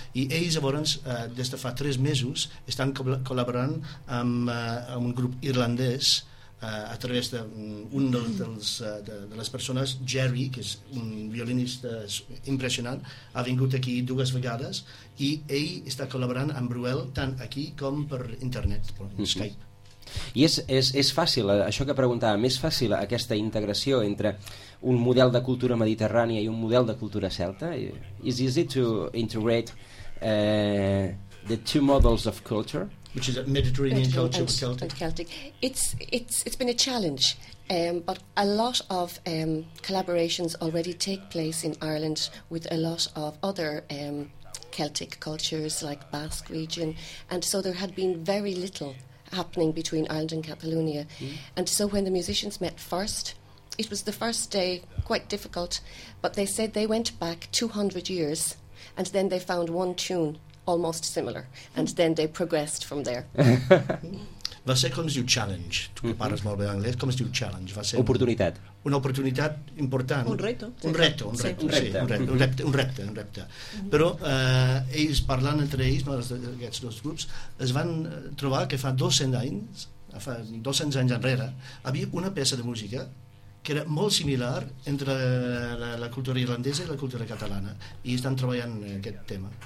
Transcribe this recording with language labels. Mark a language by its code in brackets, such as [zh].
[ca] I ells, llavors, des de fa 3 mesos, estan col·laborant amb un grup irlandès a través d'un de les persones, Jerry, que és un violinista impressionant, ha vingut aquí 2 vegades i ell està col·laborant amb Bruel tant aquí com per internet, per Skype. I és fàcil, això que preguntava, més fàcil aquesta integració entre un model de cultura mediterrània i un model de cultura celta? [en] Is easy to integrate the two models of culture? Which is a Mediterranean culture with Celtic. And Celtic. It's been a challenge, but a lot of collaborations already take place in Ireland with a lot of other Celtic cultures like Basque region, and so there had been very little happening between Ireland and Catalonia. Mm-hmm. And so when the musicians met first, it was the first day, quite difficult, but they said they went back 200 years and then they found one tune almost similar and then they progressed from there. [ca] Va ser, com es diu, challenge? Tu que parles molt bé anglès, com es diu challenge? Va ser oportunitat. Una oportunitat important. Un repte. Però ells, parlant entre ells, aquests dos grups, es van trobar que fa 200 anys enrere, havia una peça de música que era molt similar entre la cultura irlandesa i la cultura catalana, i estan treballant en aquest tema.